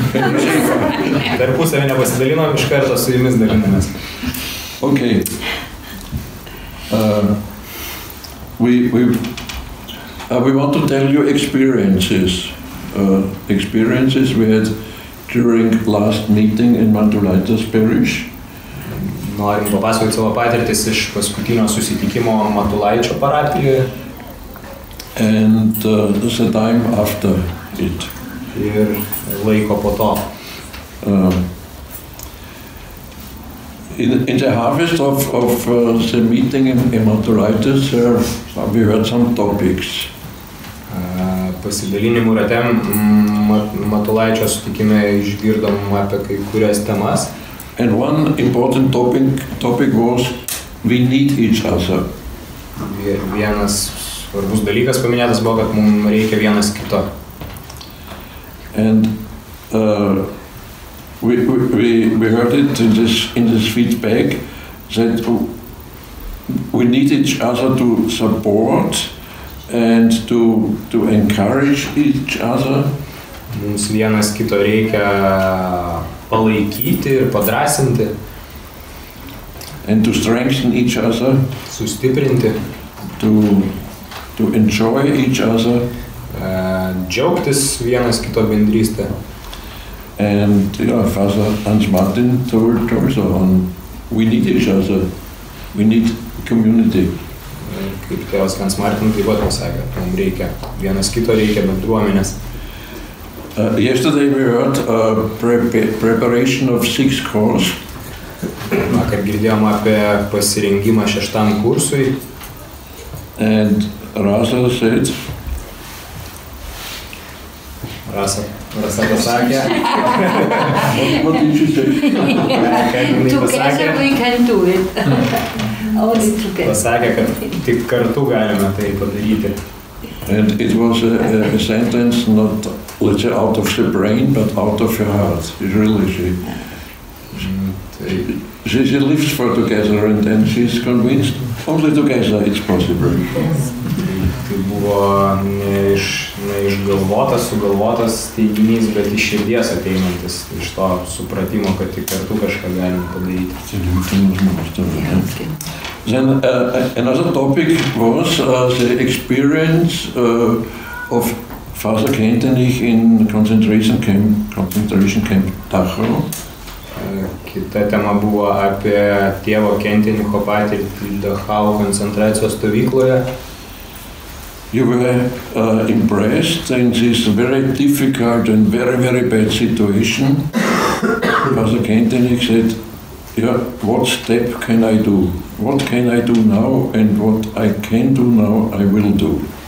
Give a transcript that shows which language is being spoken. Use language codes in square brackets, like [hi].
[lt] Tarpusavį nepasidalinom, iš karto su jumis dalinamės. [en] Okay. We want to tell you experiences. Experiences we had during last meeting in Matulaitis parish. [lt] Norim papasakoti savo patirtis iš paskutinio susitikimo Matulaičio parapijoje. [en] And the time after it. [lt] Ir laiko po to. [en] In the harvest of the meeting in Matulaitis, we had some topics. [lt] Pasidalinimų rate Matulaičio sutikime išgirdom apie kai kurias temas. [en] And one important topic was we need each other. [lt] Ir vienas svarbus dalykas paminėtas buvo, kad mums reikia vienas kito. [en] And we heard it in this feedback that we need each other to support and to encourage each other. [lt] Mums vienas kito reikia palaikyti ir padrasinti. [en] And to strengthen each other. [lt] Sustiprinti. [en] To enjoy each other. [lt] Džiaugtis vienas kito bendrystę. [en] And you know, Father Hans Martin told also on we need each other. We need community. [lt] Kaip tėvas Hans Martin taip pat pasakė, mum reikia vienas kito, reikia bendruomenės. [en] Yesterday we heard preparation of sixth course. [lt] Vakar girdėjom apie pasirengimą šeštam kursui. [en] And Rasa said. [lt] Rasa pasakė. [en] What did you say? Together we can do it. [lt] Pasakė, kad tik kartu galime tai padaryti. [en] And it was a sentence not let's say out of the brain, but out of your heart. It's really she lives for together and then she's convinced only together it's possible. [lt] Tai buvo neišgalvotas, sugalvotas teiginys, bet iš širdies ateinantis iš to supratimo, kad tik kartu kažką galime padaryti. [en] Then another topic was the experience of Father Kentenich in concentration camp Dachau. [lt] Kita tema buvo apie tėvo Kentenicho patirtį Dachau koncentracijos stovykloje. [en] You were impressed in this very difficult and very, very bad situation. Father Kentenich said, yeah, what step can I do? What can I do now and what I can do now, I will do.